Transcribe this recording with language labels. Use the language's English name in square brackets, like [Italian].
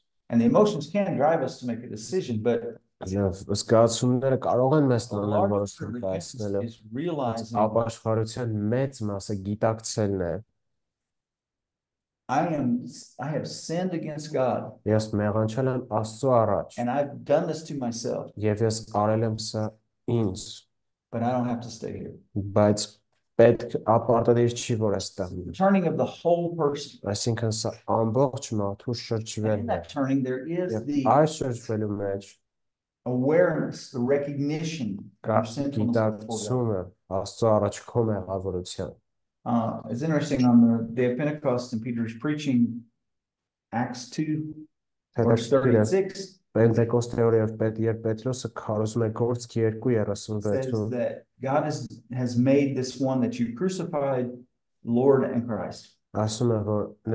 [English] And the emotions can drive us to make a decision, but [Armenian] զգացումները կարող են մեզ տանել որոշում կայացնելու. Հապաշխարության մեծ մասը գիտակցելն է. [English] I have sinned against God. [Armenian] Ես մեղանչել եմ Աստծո առաջ. [English] And I've done this to myself. [Armenian] Եվ ես արել եմ սա ինձ. [English] But I don't have to stay here. [Armenian] Բայց պետք ապարտադիր չի որ այստեղ լինի. [English] Turning of the whole person. [Armenian] Այսինքն սա ամբողջ մարդու շրջվելն է. [English] In that turning there is the [Armenian] Այս շրջվելու մեջ [English] awareness, the recognition of [Armenian] Աստծո առաջ քո մեղավորության. [English] It's interesting on the day of Pentecost and Peter's preaching Acts 2, verse 36. Says that God has made this one that you crucified Lord and Christ.